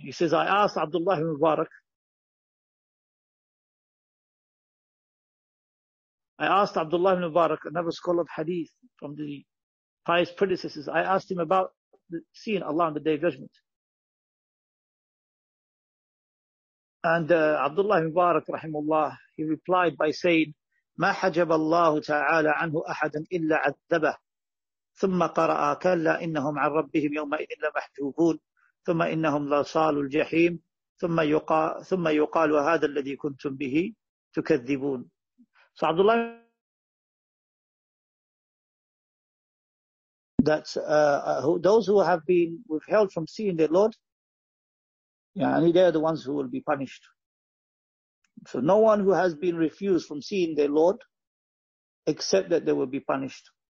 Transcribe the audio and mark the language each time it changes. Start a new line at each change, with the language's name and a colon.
English: He says, I asked Abdullah ibn Mubarak. I asked Abdullah ibn Mubarak, another scholar of hadith from the pious predecessors. I asked him about seeing Allah on the Day of Judgment. And Abdullah ibn Mubarak, rahimullah, he replied by saying,
Arabic: ما حجب الله تعالى عنه أحدا إلا عذبه ثم قرأ كلا إنهم عن ربهم يومئذ لمحجوبون ثم إنهم لصالوا الجحيم ثم يقال هذا الذي كنتم به تكذبون.
English: So Abdullah, that those who have been withheld from seeing their Lord, يعني they are the ones who will be punished. So no one who has been refused from seeing their Lord, except that they will be punished.